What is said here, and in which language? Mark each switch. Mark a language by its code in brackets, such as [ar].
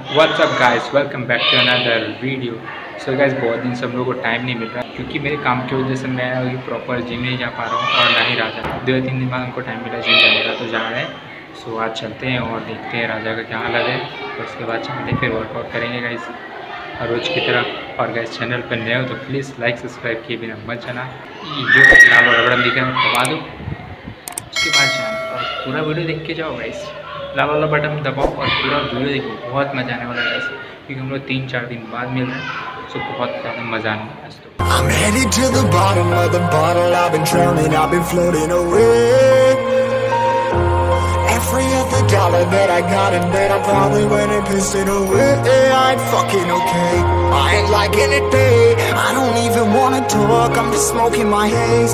[en] What's up guys, welcome back to another video. So guys, [hi] बहुत दिन सब लोगों को टाइम नहीं मिल रहा क्योंकि मेरे काम की वजह से मैं अभी प्रॉपर जिम नहीं जा पा रहा हूँ और ना ही राजा दो या तीन दिन बाद उनको टाइम मिला जिम जाने का तो जा रहे हैं। सो आज चलते हैं और देखते हैं राजा का क्या हाल है, उसके बाद चलते फिर वर्कआउट करेंगे गाइस हर रोज की तरह। और गाइस चैनल पर नए हो तो प्लीज़ लाइक सब्सक्राइब किए बिना मत जाना, जो लाल और बड़ा दिख रहा है दबा दो, उसके बाद जाना और पूरा वीडियो देख के जाओ गाइस, लाल वाला बटन दबाओ और पूरा वीडियो देखो, बहुत मजा आने वाला है गाइस क्योंकि हम लोग तीन चार दिन बाद मिल रहे हैं, सो बहुत ज़्यादा मजा आने वाला है। [en] I'm headed to the bottom of the bottle, I've been drowning, I've been floating away. Every other dollar that I got in bed, I probably went and pissed it away. I ain't fucking okay, I ain't liking it, babe. I don't even wanna talk, I'm just smoking my haze.